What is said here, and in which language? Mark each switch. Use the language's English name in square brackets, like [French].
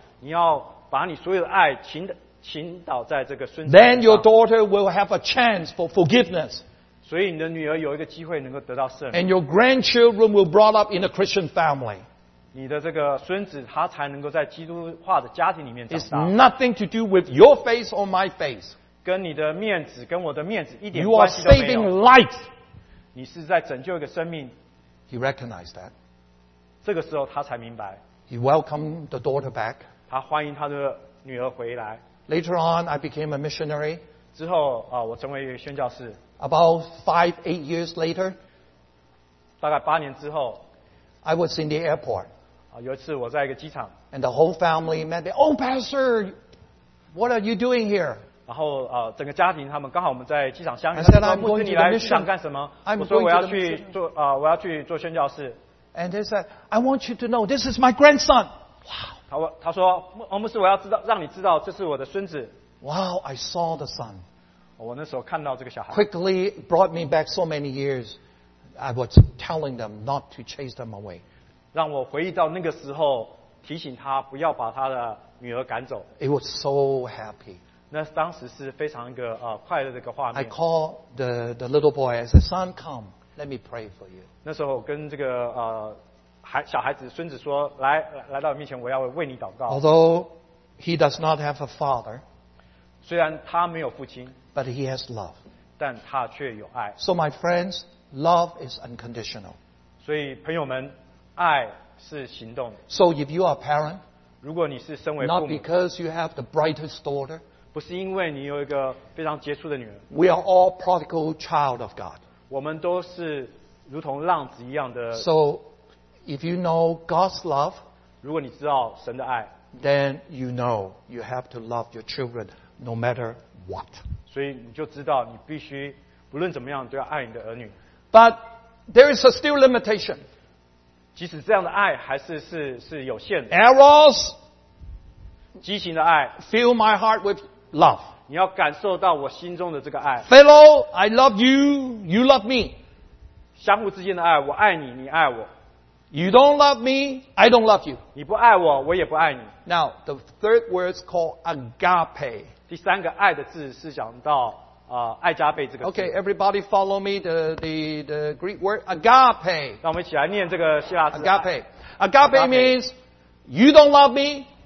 [Chinese] 你要把你所有的爱倾倒在这个孙子身上。 [English] Then your daughter will have a chance for forgiveness. [Chinese] 所以你的女儿有一个机会能够得到赦免。 [English] And your grandchildren will brought up in a Christian family. [Chinese] 你的这个孙子他才能够在基督化的家庭里面长大。 [English] It's nothing to do with your face or my face. [Chinese] 跟你的面子跟我的面子一点关系都没有。 [English] You are saving life. [Chinese] 你是在拯救一个生命。 [English] He recognized that. [Chinese] 这个时候他才明白。 [English] He welcomed the daughter back. [Chinese] 他欢迎他的女儿回来。 [English] Later on, I became a missionary. [Chinese] 之后我成为一个宣教士。 [English] About 5-8 years later, [Chinese] 大概八年之后 [English] I was in the airport. [Chinese] 有一次我在一个机场。 [English] And the whole family met me. Oh, Pastor, what are you doing here? [Chinese] 然后整个家庭他们刚好我们在机场相遇。 [English] I said, I'm going to the [Chinese] mission. 你来机场干什么？ [English] I'm [Chinese] 我说我要去做我要去做宣教士。 [English] And they said, I want you to know this is my grandson. Wow. [Chinese] 他说，牧师，我要知道，让你知道，这是我的孙子。 [English] Wow, I saw the son. [Chinese] 我那时候看到这个小孩。 [English] Quickly brought me back so many years. I was telling them not to chase them away. [Chinese] 让我回忆到那个时候，提醒他不要把他的女儿赶走。 [English] It was so happy. [Chinese] 那当时是非常一个快乐的一个画面。 [English] I called the little boy. I said, "Son, come, let me pray for you." [Chinese] 那时候跟这个小孩子孙子说，来到我面前，我要为你祷告。 [English] Although he does not have a father, [Chinese] 虽然他没有父亲 [English] ，but he has love. [Chinese] 但他却有爱。 [English] So my friends, love is unconditional. [Chinese] 所以朋友们，爱是行动的。 [English] So if you are a parent, [Chinese] 如果你是身为父 [English] 母 ，not because you have the brightest daughter. [Chinese] 不是因为你有一个非常杰出的女儿。 [English] We are all prodigal child of God. [Chinese] 我们都是如同浪子一样的。 [English] So, If you know God's love, [Chinese] 如果你知道神的爱, [English] then you know you have to love your children no matter what. [Chinese] 所以你就知道你必须不论怎么样都要爱你的儿女。 [English] But there is a still limitation. [Chinese] 即使这样的爱还是 是有限的。 [English] Arrows, [Chinese] 激情的爱, [English] fill my heart with love. [Chinese] 你要感受到我心中的这个爱。 [English] Fellow, I love you, you love me. [Chinese] 相互之间的爱,我爱你,你爱我。 [English] You don't love me, I don't love you. [Chinese] 你不爱我,我也不爱你。 [English] Now, the third word is called agape. [Chinese] 第三个爱的字是讲到爱加倍这个字。 [English] Okay, everybody follow me, the Greek word agape. [Chinese] 让我们一起来念这个希腊字。 [English] Agape. Agape means, you don't love me.